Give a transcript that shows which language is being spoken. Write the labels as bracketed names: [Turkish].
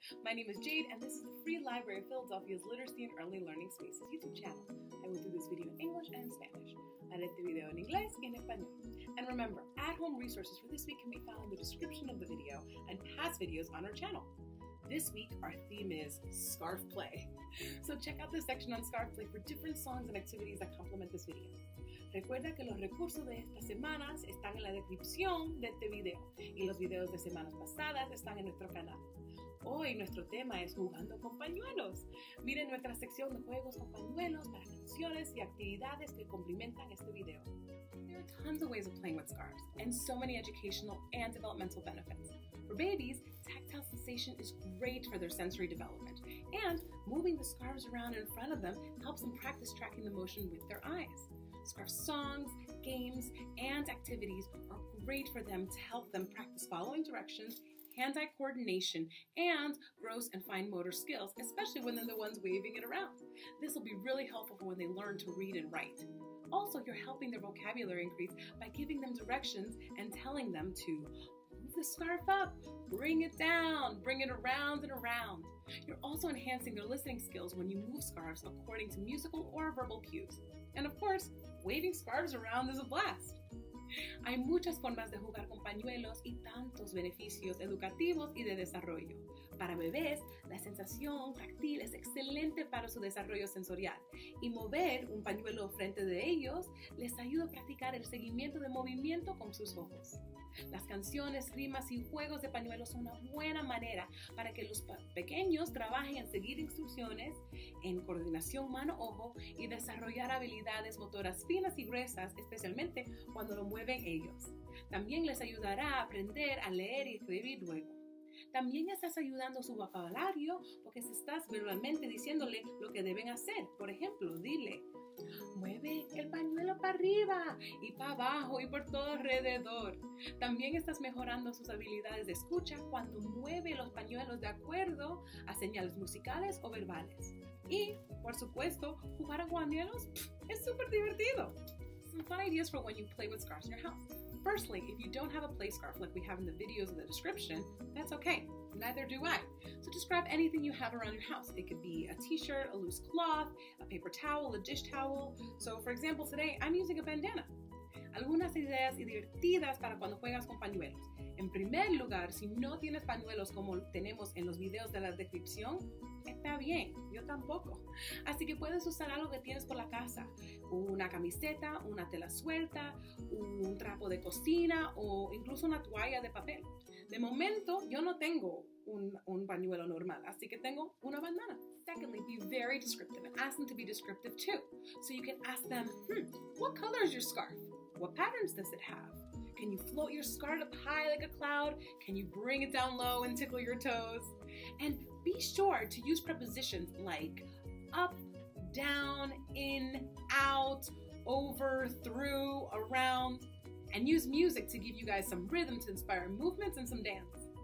[English] My name is Jade, and this is the Free Library of Philadelphia's Literacy and Early Learning Spaces YouTube channel. I will do this video in English and Spanish. [Spanish] Haré este video en inglés y en español. [English] And remember, at-home resources for this week can be found in the description of the video and past videos on our channel. This week, our theme is scarf play. So check out the section on scarf play for different songs and activities that complement this video. [Spanish] Recuerda que los recursos de estas semanas están en la descripción de este video y los videos de semanas pasadas están en nuestro canal. Hoy nuestro tema es jugando con pañuelos. Miren nuestra sección de juegos con pañuelos para canciones y actividades que complementan este video. [English] There are tons of ways of playing with scarves and so many educational and developmental benefits. For babies, tactile sensation is great for their sensory development, and moving the scarves around in front of them helps them practice tracking the motion with their eyes. Scarf songs, games, and activities are great for them to help them practice following directions, hand-eye coordination, and gross and fine motor skills, especially when they're the ones waving it around. This will be really helpful for when they learn to read and write. Also, you're helping their vocabulary increase by giving them directions and telling them to move the scarf up, bring it down, bring it around and around. You're also enhancing their listening skills when you move scarves according to musical or verbal cues. And of course, waving scarves around is a blast. [Spanish] Hay muchas formas de jugar con pañuelos y tantos beneficios educativos y de desarrollo. Para bebés, la sensación táctil es excelente para su desarrollo sensorial. Y mover un pañuelo frente de ellos les ayuda a practicar el seguimiento de movimiento con sus ojos. Las canciones, rimas y juegos de pañuelos son una buena manera para que los pequeños trabajen en seguir instrucciones, en coordinación mano-ojo y desarrollar habilidades motoras finas y gruesas, especialmente cuando lo mueven ellos. También les ayudará a aprender a leer y escribir luego. También estás ayudando su vocabulario porque estás verbalmente diciéndole lo que deben hacer. Por ejemplo, dile, mueve el pañuelo para arriba y para abajo y por todo alrededor. También estás mejorando sus habilidades de escucha cuando mueve los pañuelos de acuerdo a señales musicales o verbales. Y, por supuesto, jugar a pañuelos es súper divertido. [English] Some fun ideas for when you play with scarves in your house. Firstly, if you don't have a play scarf like we have in the videos in the description, that's okay. Neither do I. So just grab anything you have around your house. It could be a t-shirt, a loose cloth, a paper towel, a dish towel. So for example, today I'm using a bandana. [Spanish] Algunas ideas divertidas para cuando juegas con pañuelos. En primer lugar, si no tienes pañuelos como tenemos en los videos de la descripción, está bien, yo tampoco. Así que puedes usar algo que tienes por la casa. Una camiseta, una tela suelta, un trapo de cocina o incluso una toalla de papel. De momento, yo no tengo un pañuelo normal, así que tengo una bandana. [English] Secondly, be very descriptive and ask them to be descriptive too. So you can ask them, what color is your scarf? What patterns does it have? Can you float your scarf up high like a cloud? Can you bring it down low and tickle your toes? And be sure to use prepositions like up, down, in, out, over, through, around, and use music to give you guys some rhythm to inspire movements and some dance.